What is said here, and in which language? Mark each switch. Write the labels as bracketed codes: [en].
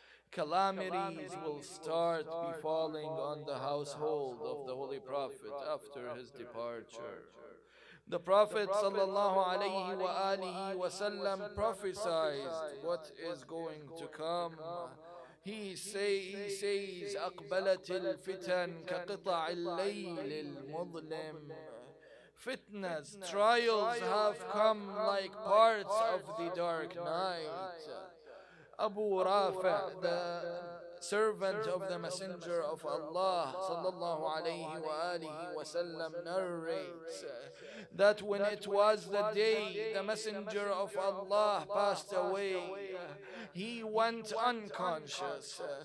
[en] Calamities will start befalling on the household of the Holy Prophet after his departure. The Prophet sallallahu alayhi wa alihi wa sallam prophesied what is going to come. He says, [ar] أقبلت الفتن كقطع الليل المظلم. [en] Fitnas, trials have come like parts of the dark night. Abu Rafi', the servant of the Messenger of Allah sallallahu alayhi wa alihi wa sallam, narrates that when it was the day the Messenger of Allah passed away, he went unconscious.